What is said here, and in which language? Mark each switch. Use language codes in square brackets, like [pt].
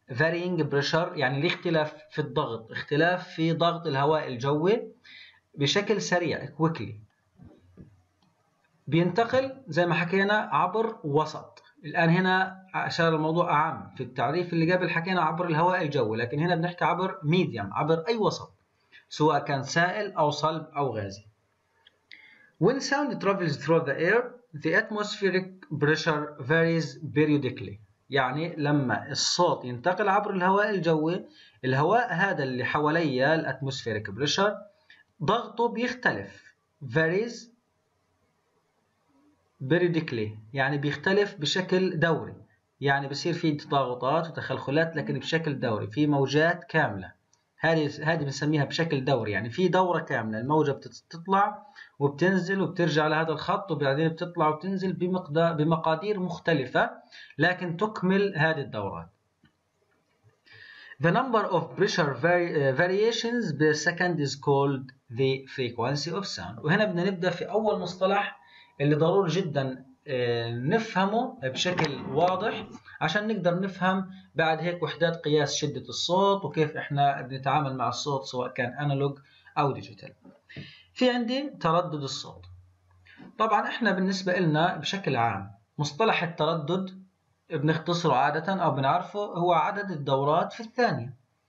[en] Varying pressure [ar] يعني الاختلاف في الضغط، اختلاف في ضغط الهواء الجوي بشكل سريع quickly. بينتقل زي ما حكينا عبر وسط. الآن هنا عشان الموضوع أعم، في التعريف اللي قبل حكينا عبر الهواء الجوي، لكن هنا بنحكي عبر medium، عبر أي وسط سواء كان سائل أو صلب أو غازي. [en] When sound travels through the air, the atmospheric pressure varies periodically. [ar] يعني لما الصوت ينتقل عبر الهواء الجوي، الهواء هذا اللي حواليا الاتموسفيريك بريشر ضغطه بيختلف، [en] varies periodically [ar] يعني بيختلف بشكل دوري، يعني بصير في تضاغطات وتخلخلات لكن بشكل دوري، في موجات كامله. هذه بنسميها بشكل دوري، يعني في دوره كامله، الموجه بتطلع وبتنزل وبترجع لهذا الخط وبعدين بتطلع وتنزل بمقادير مختلفه لكن تكمل هذه الدورات. [en] The number of pressure variations per second is called the frequency of sound. [ar] وهنا بدنا نبدا في اول مصطلح اللي ضروري جدا نفهمه بشكل واضح عشان نقدر نفهم بعد هيك وحدات قياس شدة الصوت وكيف احنا بنتعامل مع الصوت سواء كان انالوج او ديجيتال. في عندي تردد الصوت. طبعا احنا بالنسبة لنا بشكل عام مصطلح التردد بنختصره عادة او بنعرفه هو عدد الدورات في الثانية.